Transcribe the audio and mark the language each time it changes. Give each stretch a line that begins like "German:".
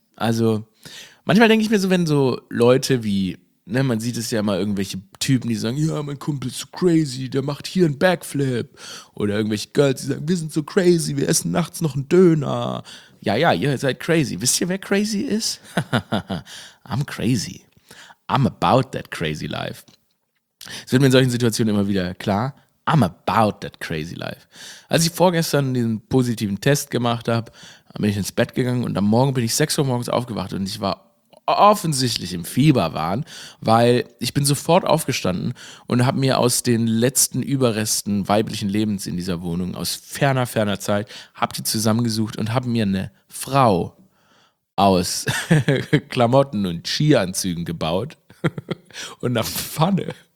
German: Also manchmal denke ich mir so, wenn so Leute wie, ne, man sieht es ja mal, irgendwelche Typen, die sagen, ja, mein Kumpel ist so crazy, der macht hier einen Backflip. Oder irgendwelche Girls, die sagen, wir sind so crazy, wir essen nachts noch einen Döner. Ja, ihr seid crazy. Wisst ihr, wer crazy ist? I'm crazy.
English: I'm about that crazy life.
German: Es wird mir in solchen Situationen immer wieder klar, I'm about that crazy life. Als ich vorgestern diesen positiven Test gemacht habe, bin ich ins Bett gegangen und am Morgen bin ich 6 Uhr morgens aufgewacht und ich war offensichtlich im Fieberwahn, weil ich bin sofort aufgestanden und habe mir aus den letzten Überresten weiblichen Lebens in dieser Wohnung aus ferner Zeit, habe die zusammengesucht und habe mir eine Frau aus Klamotten und Skianzügen gebaut und eine Pfanne.